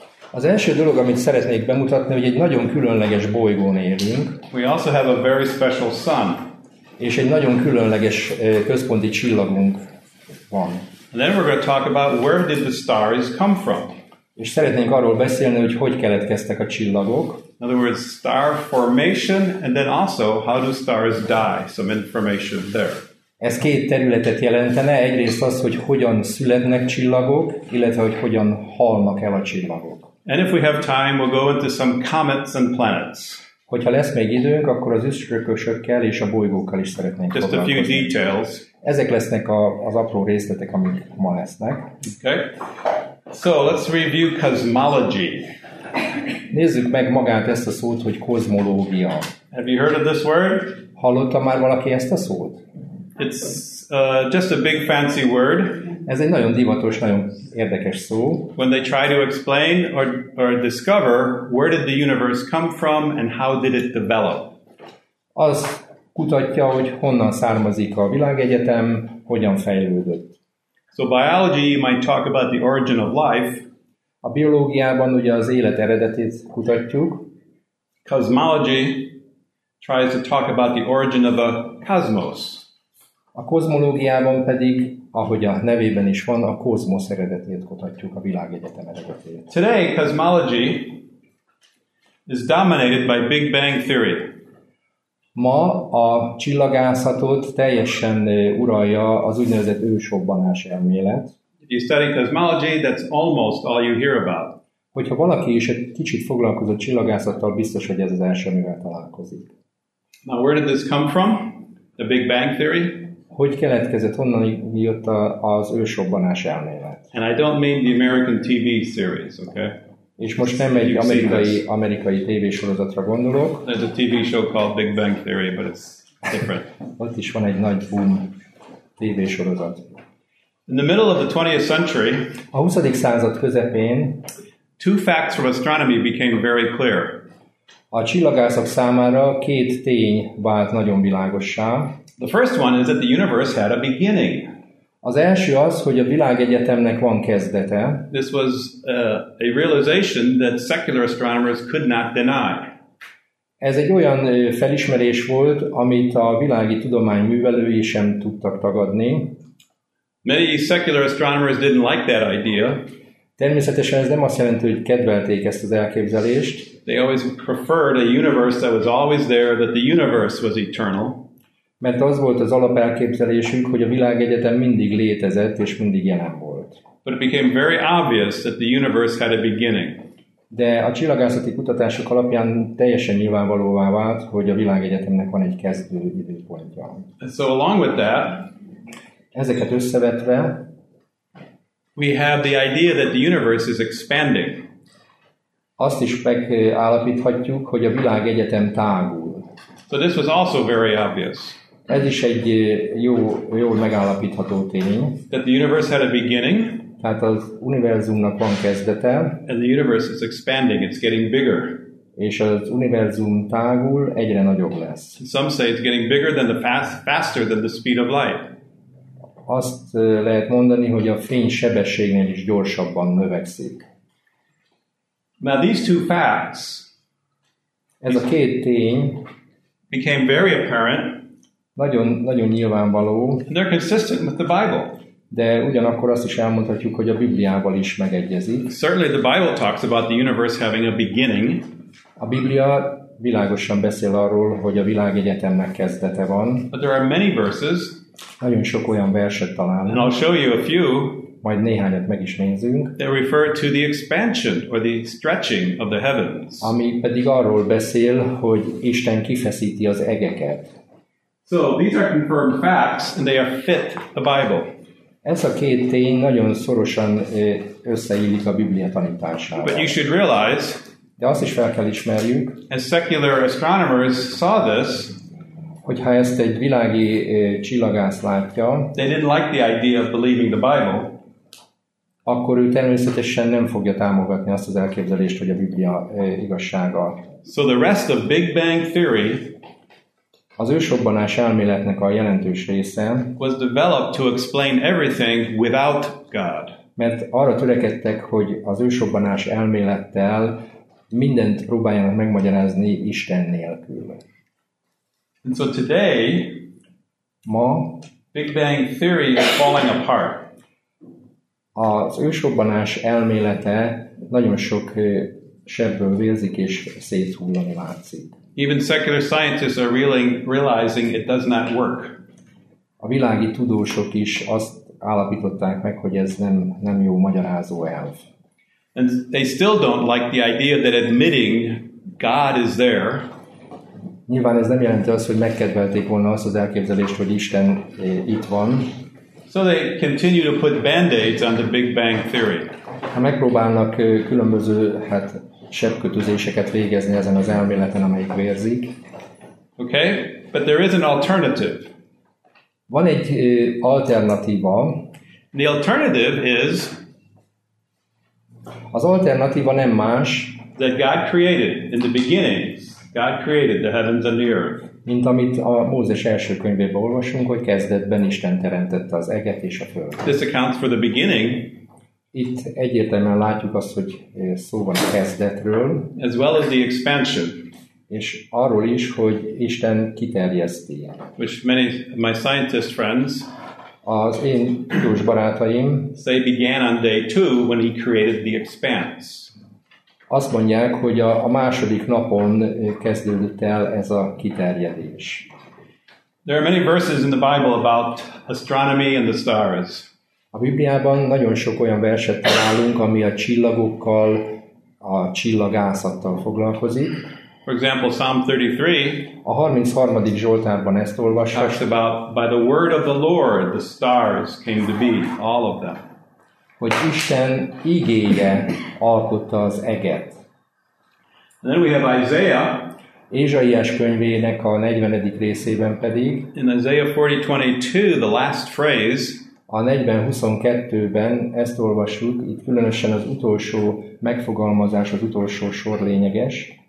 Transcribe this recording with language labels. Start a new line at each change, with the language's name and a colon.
Hungarian: Az első dolog, amit szeretnék bemutatni, hogy egy nagyon különleges bolygón élünk.
English: We also have a very special sun.
Hungarian: És egy nagyon különleges központi csillagunk van.
English: And then we're going to talk about where did the stars come from.
Hungarian: És szeretnénk arról beszélni, hogy hogyan keletkeztek a csillagok.
English: In other words, star formation, and then also how do stars die? Some information there.
Hungarian: Ez két területet jelentene. Egyrészt az, hogy hogyan születnek csillagok, illetve hogy hogyan halnak el a csillagok.
English: And if we have time, we'll go into some comets and planets.
Hungarian: Hogyha lesz még időnk, akkor az üstökösökkel és a bolygókkal is szeretnénk foglalkozni.
English: Just a few details.
Hungarian: Ezek lesznek az apró részletek, amik ma lesznek.
English: Okay. So let's review cosmology.
Hungarian: Nézzük meg magát ezt a szót, hogy kozmológia.
English: Have you heard of this word?
Hungarian: Hallotta már valaki ezt a szót?
English: It's just a big fancy word.
Hungarian: Ez egy nagyon divatos, nagyon érdekes szó.
English: When they try to explain or discover where did the universe come from and how did it develop.
Hungarian: Az kutatja, hogy honnan származik a világegyetem, hogyan fejlődött.
English: So biology might talk about the origin of life.
Hungarian: A biológiában ugye az élet eredetét kutatjuk.
English: Cosmology tries to talk about the origin of a cosmos.
Hungarian: A kozmológiában pedig, ahogy a nevében is van, a kozmosz eredetét kutatjuk, a világegyetem eredetét.
English: Today cosmology is dominated by Big Bang theory.
Hungarian: Ma a csillagászatot teljesen uralja az úgynevezett ősrobbanás elmélet.
English: If you study cosmology, that's almost all you hear about.
Hungarian: Hogyha valaki is egy kicsit foglalkozott csillagászattal, biztos, hogy ez az első, amivel találkozik.
English: Now, where did this come from? The Big Bang theory?
Hungarian: Hogy keletkezett, honnan jött az ősrobbanás elmélet?
English: And I don't mean the American TV series, okay?
Hungarian: És most nem egy amerikai tévésorozatra gondolok.
English: There's a TV show called Big Bang Theory, but it's different.
Hungarian: Ott is van egy nagy boom tévésorozat.
English: In the middle of the 20th century,
Hungarian: a 20. század közepén,
English: two facts from astronomy became very clear.
Hungarian: A csillagászok számára két tény vált nagyon világossá.
English: The first one is that the universe had a beginning.
Hungarian: Az első az, hogy a világegyetemnek van kezdete.
English: This was a realization that secular astronomers could not deny.
Hungarian: Ez egy olyan felismerés volt, amit a világi tudomány művelői sem tudtak tagadni.
English: Many secular astronomers didn't like that idea.
Hungarian: Természetesen ez nem azt jelenti, hogy kedvelték ezt az elképzelést.
English: They always preferred a universe that was always there, that the universe was eternal.
Hungarian: Mert az volt az alapelképzelésünk, hogy a világegyetem mindig létezett és mindig jelen volt.
English: But it became very obvious that the universe had a beginning.
Hungarian: De a csillagászati kutatások alapján teljesen nyilvánvalóvá vált, hogy a világegyetemnek van egy kezdő időpontja.
English: And so along with that,
Hungarian: ezeket összevetve,
English: we have the idea that the universe is expanding.
Hungarian: Azt is megállapíthatjuk, hogy a világegyetem tágul.
English: So this was also very obvious.
Hungarian: Ez is egy jó megállapítható tény.
English: That the universe had a beginning.
Hungarian: Tehát az univerzumnak van kezdete.
English: And the universe is expanding, it's getting bigger.
Hungarian: És az univerzum tágul, egyre nagyobb lesz.
English: Some say it's getting bigger than the faster than the speed of light.
Hungarian: Azt lehet mondani, hogy a fény sebességnél is gyorsabban növekszik.
English: Now these two facts,
Hungarian: ez a két tény,
English: became very apparent,
Hungarian: nagyon nyilvánvaló,
English: and they're consistent with the Bible.
Hungarian: De ugyanakkor azt is elmondhatjuk, hogy a Bibliával is megegyezik.
English: Certainly the Bible talks about the universe having a beginning.
Hungarian: A Biblia világosan beszél arról, hogy a világegyetemnek kezdete van.
English: But there are many verses.
Hungarian: Nagyon sok olyan verset találunk.
English: And I'll show you a few.
Hungarian: Majd néhányat meg is nézzünk.
English: They refer to the expansion or the stretching of the heavens.
Hungarian: Ami pedig arról beszél, hogy Isten kifeszíti az egeket.
English: So these are confirmed facts, and they are fit the Bible.
Hungarian: Ez a két tény nagyon szorosan összeillik a Biblia tanításával.
English: But you should realize.
Hungarian: De azt is fel kell ismerjük.
English: As secular astronomers saw this.
Hungarian: Hogyha ezt egy világi csillagász látja,
English: they didn't like the idea of believing the Bible,
Hungarian: akkor ő természetesen nem fogja támogatni azt az elképzelést, hogy a Biblia igazsága.
English: So the rest of Big Bang theory,
Hungarian: az ősrobbanás elméletnek a jelentős része,
English: was developed to explain everything without God.
Hungarian: Mert arra törekedtek, hogy az ősrobbanás elmélettel mindent próbáljanak megmagyarázni Isten nélkül.
English: And so today,
Hungarian: ma,
English: Big Bang theory is falling apart.
Hungarian: Az ősrobbanás elmélete nagyon sok sebből vérzik és széthullani látszik.
English: Even secular scientists are realizing it does not work.
Hungarian: A világi tudósok is azt állapították meg, hogy ez nem jó magyarázó elv.
English: And they still don't like the idea that admitting God is there.
Hungarian: Nyilván ez nem jelenti azt, hogy megkedvelték volna azt az elképzelést, hogy Isten itt van.
English: So they continue to put band-aids on the Big Bang theory.
Hungarian: Ha megpróbálnak különböző sebkötözéseket végezni ezen az elméleten, amelyik vérzik.
English: Okay, but there is an alternative.
Hungarian: Van egy alternatíva.
English: The alternative is,
Hungarian: az alternatíva nem más,
English: that God created in the beginning. God created the heavens and the earth.
Hungarian: Mint amit a Mózes első könyvében olvasunk, hogy kezdetben Isten teremtette az eget és a földet.
English: This accounts for the beginning.
Hungarian: Itt egyértelműen látjuk azt, hogy szó van a kezdetről.
English: As well as the expansion.
Hungarian: És arról is, hogy Isten kiterjeszti.
English: Which many of my scientist friends,
Hungarian: az én tudós barátaim,
English: say began on day two when he created the expanse.
Hungarian: Azt mondják, hogy a második napon kezdődött el ez a kiterjedés.
English: There are many verses in the Bible about astronomy and the stars.
Hungarian: A Bibliában nagyon sok olyan verset találunk, ami a csillagokkal, a csillagászattal foglalkozik.
English: For example, Psalm 33.
Hungarian: A 33. Zsoltárban ezt olvassuk.
English: Talks about by the word of the Lord the stars came to be, all of them.
Hungarian: Hogy Isten igéje alkotta az eget.
English: And then we have Isaiah.
Hungarian: Ézsaiás könyvének a 40. részében pedig.
English: In Isaiah 40:22, the last phrase.
Hungarian: A 40:22-ben ezt olvassuk, itt különösen az utolsó megfogalmazás, az utolsó sor lényeges.